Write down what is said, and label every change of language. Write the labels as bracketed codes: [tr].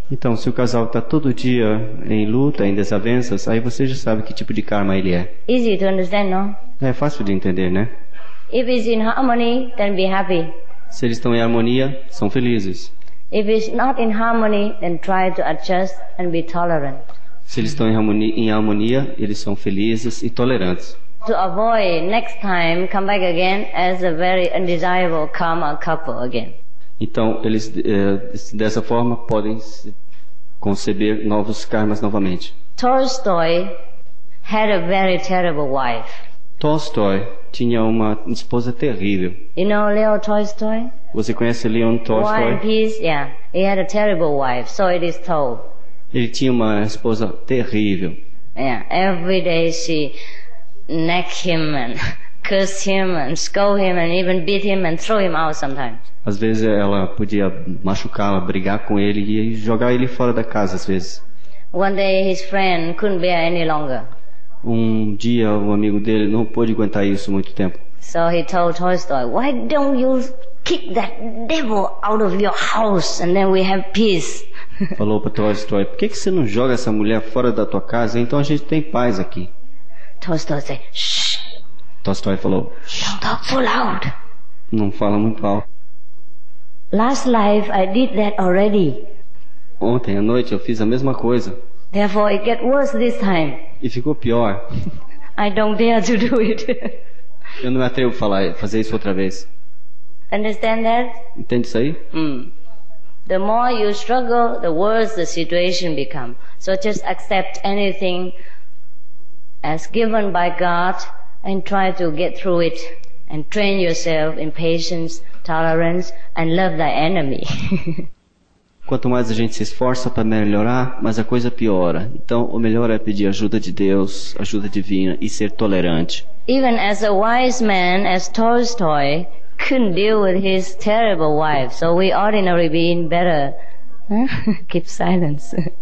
[pt] Então, se o casal está todo dia em luta, em desavenças, aí você já sabe que tipo de karma ele é. [en] Easy to understand, no? [pt] É fácil de entender, né? [en] If it's in harmony, then be happy. [pt] Se eles estão em harmonia, são felizes. [en] If it's not in harmony, then try to adjust and be tolerant. [pt] Se eles estão em harmonia, eles são felizes e tolerantes. [en] To avoid next time come back again as a very undesirable karma couple again. [pt] Então eles dessa forma podem conceber novos karmas novamente. [en] Tolstoy had a very terrible wife. [pt] Tolstoy tinha uma esposa terrível. [en] You know Leo Tolstoy? [pt] Você conhece Leon Tolstoy? [en] War and Peace, yeah. He had a terrible wife, so it is told. [pt] Ele tinha uma esposa terrível. [en] Yeah, every day she neck him and curse him and scold him and even beat him and throw him out sometimes. [pt] Às vezes ela podia machucá-la, brigar com ele e jogar ele fora da casa às vezes. [en] One day his friend couldn't bear any longer. [pt] Um dia um amigo dele não pôde aguentar isso muito tempo. [en] So he told Tolstoy, "Why don't you kick that devil out of your house and then we have peace?" [pt] Falou para Tolstoy, "Por que que você não joga essa mulher fora da tua casa? Então a gente tem paz aqui." [en] Tolstoy said, "Shh." [pt] Tolstoy falou, "Shh. [en] Don't talk so loud." [pt] Não fala muito alto. [en] Last life I did that already. [pt] Ontem à noite eu fiz a mesma coisa. [en] Therefore it get worse this time. [pt] E ficou pior. [en] I don't dare to do it. [pt] Eu não me atrevo a fazer isso outra vez. [en] Understand that? [pt] Entende isso aí? [en] The more you struggle, the worse the situation become. So just accept anything as given by God and try to get through it and train yourself in patience, tolerance and love thy enemy. [pt] Quanto mais a gente se esforça para melhorar, mais a coisa piora. Então, o melhor é pedir ajuda de Deus, ajuda divina e ser tolerante. [en] Even as a wise man as Tolstoy couldn't deal with his terrible wife, so we ordinary being better keep silence.